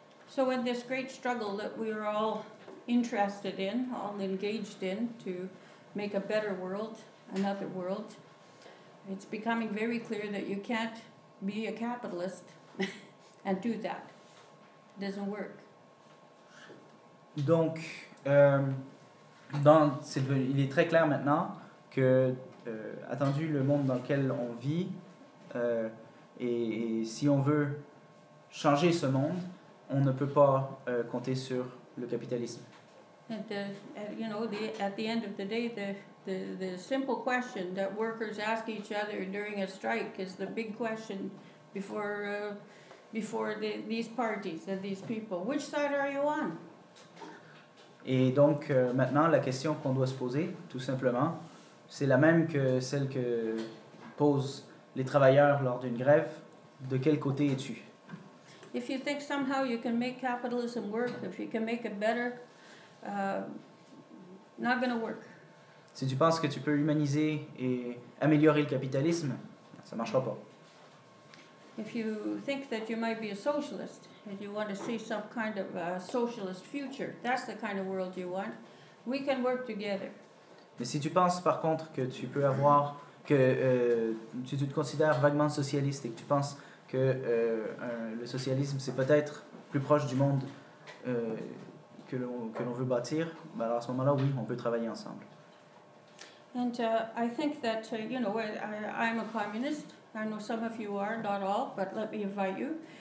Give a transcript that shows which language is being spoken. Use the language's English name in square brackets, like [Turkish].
[English] So in this great struggle that we are all interested in, all engaged in, to make a better world, another world, it's becoming very clear that you can't be a capitalist and do that. It doesn't work. [French] Donc, il est très clair maintenant que, attendu le monde dans lequel on vit, et si on veut changer ce monde, on ne peut pas compter sur le capitalisme. [English] At the end of the day, the simple question that workers ask each other during a strike is the big question before these parties and these people. Which side are you on? [French] Et donc maintenant la question qu'on doit se poser, tout simplement, c'est la même que celle que posent les travailleurs lors d'une grève. De quel côté es-tu? [English] If you think somehow you can make capitalism work, if you can make it better. Not gonna work. [French] Si tu penses que tu peux humaniser et améliorer le capitalisme, ça marchera pas. [English] If you think that you might be a socialist and you want to see some kind of a socialist future, that's the kind of world you want. We can work together. [French] Mais si tu penses par contre que tu peux avoir que tu te considères vaguement socialiste et que tu penses que le socialisme c'est peut-être plus proche du monde. Que l'on veut bâtir, ben alors à ce moment-là, oui, on peut travailler ensemble. [English] And I think that, you know, I'm a communist. I know some of you are, not all, but let me invite you.